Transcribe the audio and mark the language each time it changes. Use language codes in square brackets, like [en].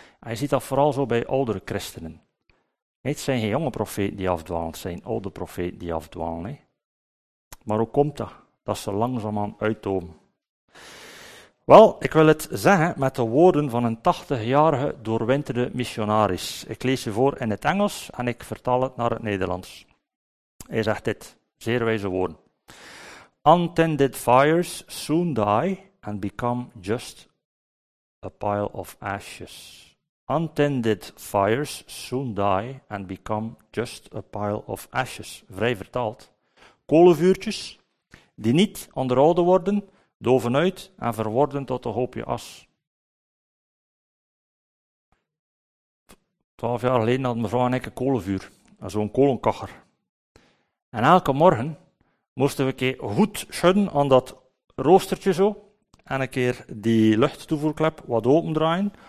[nl] Hij ziet dat vooral zo bij oudere christenen. Het zijn geen jonge profeten die afdwalen, het zijn oude profeten die afdwalen. Hè? Maar hoe komt dat? Dat ze langzaamaan uitdoven. Wel, ik wil het zeggen met de woorden van een 80-jarige doorwinterde missionaris. Ik lees ze voor in het Engels en ik vertaal het naar het Nederlands. Hij zegt dit, zeer wijze woorden. [en] Untended fires soon die and become just a pile of ashes. Untended fires soon die and become just a pile of ashes. [nl] Vrij vertaald. Kolenvuurtjes die niet onderhouden worden, doven uit en verworden tot een hoopje as. 12 jaar geleden had mevrouw en ik een kolenvuur, zo'n kolenkacher. En elke morgen moesten we een keer goed schudden aan dat roostertje zo, en een keer die luchttoevoerklep wat opendraaien.